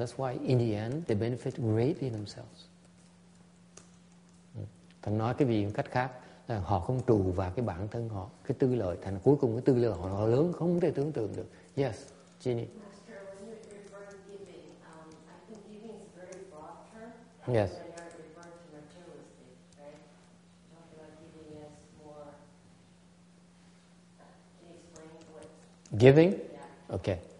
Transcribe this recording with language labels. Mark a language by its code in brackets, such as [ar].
[en] That's why in the end, they benefit greatly themselves. [vi] Thành nói cái vì một cách khác là họ không trù vào cái bản thân họ, cái tư lợi, thành cuối cùng cái tư lợi họ lớn không thể tưởng tượng được. [en] Yes, Jenny. Master, when you refer to giving, I think giving is a very broad term. Yes. When you're referring to materialistic, right? Talking about giving is more, can you explain what? Giving? Yeah.